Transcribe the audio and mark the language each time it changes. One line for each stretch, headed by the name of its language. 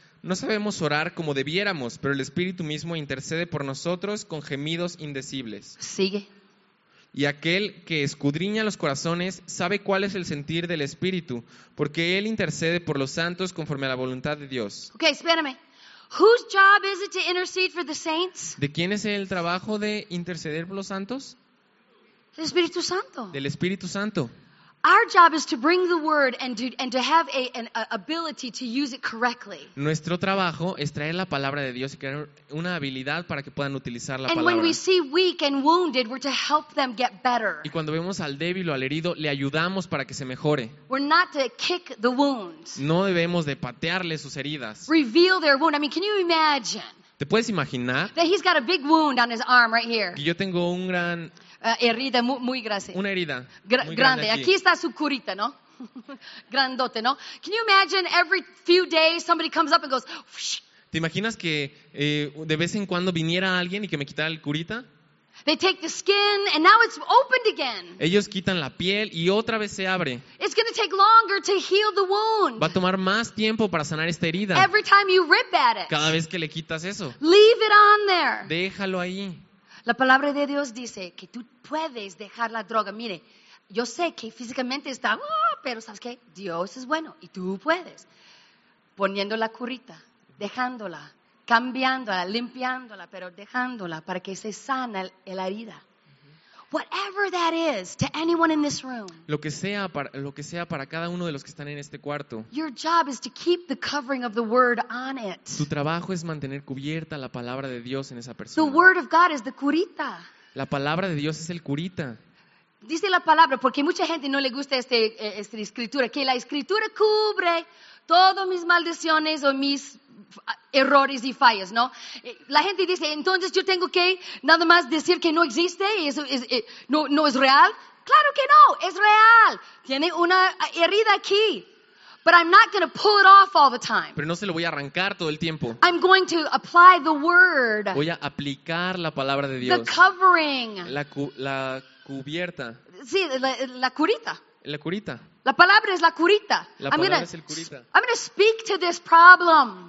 Spanish: No sabemos orar como debiéramos, pero el Espíritu mismo intercede por nosotros con gemidos indecibles. Sigue. Y aquel que escudriña los corazones sabe cuál es el sentir del Espíritu, porque él intercede por los santos conforme a la voluntad de Dios. Ok, espérame.
English: Whose job is it to intercede for the saints?
Spanish: ¿De quién es el trabajo de interceder por los santos? El Espíritu Santo. Del Espíritu Santo.
English: Our job is to bring the word and to have an ability to use it correctly.
Spanish: Nuestro trabajo es traer la palabra de Dios y crear una habilidad para que puedan utilizar la palabra.
English: And when we see weak and wounded, we're to help them get better.
Spanish: Y cuando vemos al débil o al herido, le ayudamos para que se mejore.
English: We're not to kick the wound.
Spanish: No debemos de patearle sus heridas.
English: Reveal their wound. I mean, can you imagine?
Spanish: ¿Te puedes imaginar?
English: That he's got a big wound on his arm right here.
Spanish: Que yo tengo un gran herida muy grande. Una herida. Grande. Aquí está su curita, ¿no? Grandote, ¿no?
English: Can you imagine every few days somebody comes up and goes, whoosh.
Spanish: ¿Te imaginas que de vez en cuando viniera alguien y que me quitara el curita?
English: They take the skin and now it's opened again.
Spanish: Ellos quitan la piel y otra vez se abre.
English: It's going to take longer to heal the wound.
Spanish: Va a tomar más tiempo para sanar esta herida.
English: Every time you rip at it.
Spanish: Cada vez que le quitas eso.
English: Leave it on there.
Spanish: Déjalo ahí. La palabra de Dios dice que tú puedes dejar la droga. Mire, yo sé que físicamente está, pero ¿sabes qué? Dios es bueno y tú puedes. Poniendo la curita, dejándola, cambiándola, limpiándola, pero dejándola para que se sane la herida.
English: Whatever that is to anyone in this room.
Spanish: Lo que sea para cada uno de los que están en este cuarto.
English: Your job is to keep the covering of the word on it.
Spanish: Tu trabajo es mantener cubierta la palabra de Dios en esa persona.
English: The word of God is the curita.
Spanish: La palabra de Dios es el curita. Dice la palabra porque mucha gente no le gusta esta escritura, que la escritura cubre todas mis maldiciones o mis errores y fallas, ¿no? La gente dice, entonces yo tengo que nada más decir que no existe y eso no es real. Claro que no, es real. Tiene una herida aquí.
English: But I'm not going to pull it off all the time.
Spanish: Pero no se lo voy a arrancar todo el tiempo.
English: I'm going to apply the word.
Spanish: Voy a aplicar la palabra de Dios.
English: The covering.
Spanish: La cubierta. Sí, la curita. La curita. La palabra es la curita. La palabra es el curita.
English: I'm going to speak to this problem.